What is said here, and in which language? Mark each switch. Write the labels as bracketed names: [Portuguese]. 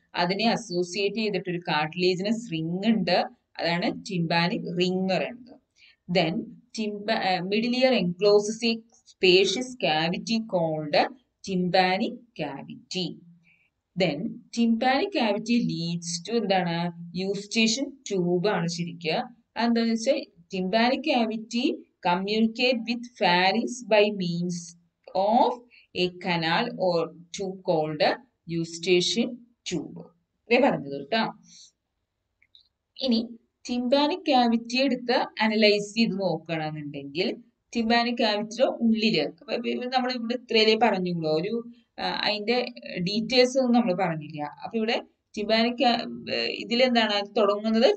[Malayalam] അതിനെ അസോസിയേറ്റ് ചെയ്തിട്ട് ഒരു കാർട്ടിലേജിന് റിംഗ് ഉണ്ട്, അതാണ് ടിംബാനിക് റിംഗ് എന്ന് പറയുന്നത്. [English] Then middle ear encloses a spacious cavity called tympanic cavity. Then tympanic cavity leads to [Malayalam] എന്താണ്, [English] Eustachian tube [Malayalam] ആണ് ശരിക്കുക. അതെന്താണെന്ന് വെച്ചാൽ [English] Tympanic cavity communicate with pharynx by means of a canal or tube called a eustachian tube. [Malayalam] ഇനി tympanic cavity എടുത്ത് analyse ചെയ്ത് നോക്കണമെന്നുണ്ടെങ്കിൽ tympanic ക്യാവിറ്റിയുടെ ഉള്ളില് നമ്മൾ ഇവിടെ ഇത്രയിലേ പറഞ്ഞുള്ളൂ, ഒരു അതിന്റെ ഡീറ്റെയിൽസ് ഒന്നും നമ്മൾ പറഞ്ഞില്ല. അപ്പൊ ഇവിടെ ടിംബാനിക് ഇതിലെന്താണ് തുടങ്ങുന്നത്?